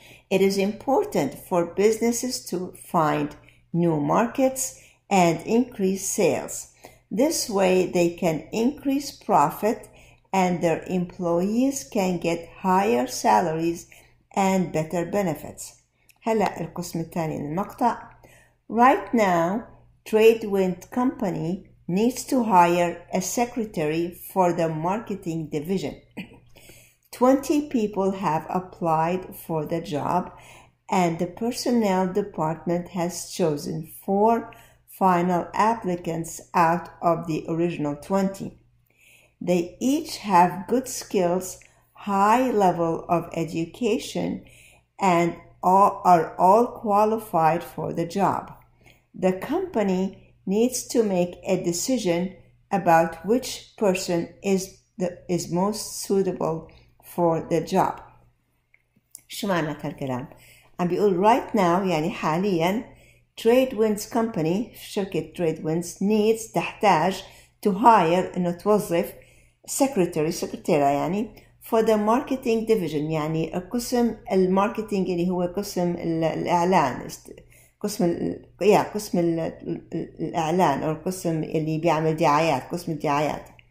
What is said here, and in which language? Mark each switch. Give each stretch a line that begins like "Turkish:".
English: It is important for businesses to find new markets and increase sales. This way they can increase profit and their employees can get higher salaries and better benefits.
Arabic: هلا القسم الثاني من المقطع.
English: Right now, Tradewind company needs to hire a secretary for the marketing division. 20 people have applied for the job and the personnel department has chosen 4 final applicants out of the original 20. They each have good skills, high level of education, and are all qualified for the job. The company needs to make a decision about which person is most suitable for the job.
Arabic: شو معنى هالكلام؟ عم بيقول
English: right now,
Arabic: يعني حالياً,
English: Tradewinds company,
Arabic: شركة Tradewinds,
English: needs,
Arabic: تحتاج,
English: to hire,
Arabic: إنه توظف,
English: secretary,
Arabic: سكرتيرة يعني,
English: for the marketing division,
Arabic: يعني قسم الماركتينج اللي هو قسم الإعلان, قسم الإعلان, أو قسم اللي بيعمل دعايات, قسم الدعايات.